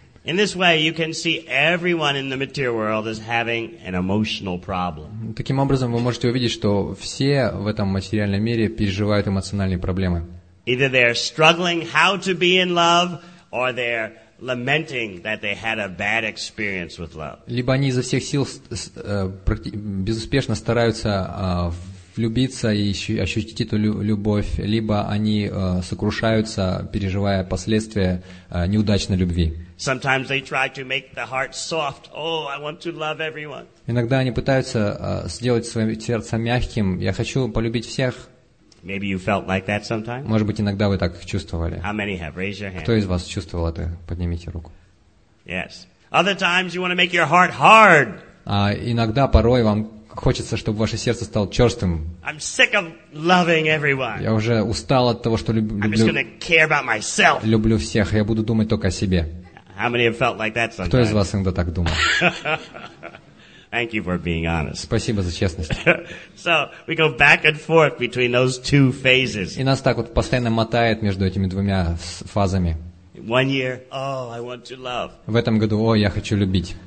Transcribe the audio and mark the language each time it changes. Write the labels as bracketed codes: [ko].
[en] In this way, you can see everyone in the material world is having an emotional problem. [ru] Таким образом, вы можете увидеть, что все в этом материальном мире переживают эмоциональные проблемы. [en] Either they're struggling how to be in love, or they're lamenting that they had a bad experience with love. [ru] Либо они изо всех сил безуспешно стараются влюбиться и ощутить эту любовь, либо они сокрушаются, переживая последствия неудачной любви. [en] Sometimes they try to make the heart soft. Oh, I want to love everyone. [ru] Иногда они пытаются сделать свое сердце мягким. Я хочу полюбить всех. [en] Maybe you felt like that sometimes. [ru] Может быть, иногда вы так чувствовали. [en] How many have? Raise your hand. [ru] Кто из вас чувствовал это? Поднимите руку. [en] Yes. Other times you want to make your heart hard. [ru] Иногда порой вам хочется, чтобы ваше сердце стало черствым. [en] I'm sick of loving everyone. [ru] Я уже устал от того, что люблю. [en] I'm just going to care about myself. [ru] Люблю всех, я буду думать только о себе. [en] How many have felt like that sometimes? [ru] Кто из вас иногда так думал? [en] Thank you for being honest. [ru] Спасибо за честность. [en] So we go back and forth between those two phases. [ru] И нас так вот постоянно мотает между этими двумя фазами. [en] One year, oh, I want to love. [ru] В этом году, о, я хочу любить.